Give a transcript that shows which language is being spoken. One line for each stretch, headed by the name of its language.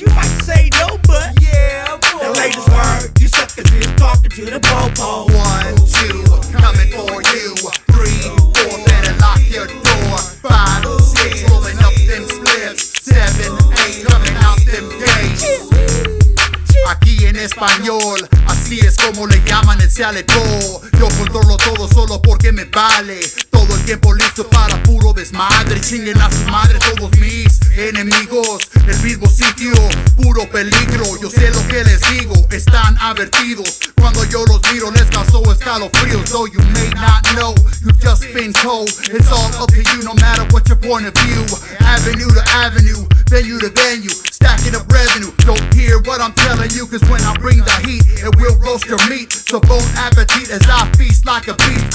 English: You might say no, but yeah, boy. The latest word, you suckers is talking to the popo. One, two, coming for you. Three, four, better lock your door. Five, six, rolling up them slips. Seven, eight, coming out them gates.
Spanish: Aquí en español, así es como le llaman el cialetó. Yo controlo todo solo porque me vale. Todo el tiempo listo para puro desmadre. Chinguen a su madre todos mis enemigos. El mismo sitio, puro peligro. Yo sé lo que les digo, están advertidos. Cuando yo los miro les causó escalofríos.
English: Though you may not know, you've just been told. It's all up to you no matter what your point of view. Avenue to avenue, venue to venue. Stacking up revenue, don't hear what I'm telling. You, cause when I bring the heat, it will roast your meat. So bon appetit as I feast like a beast.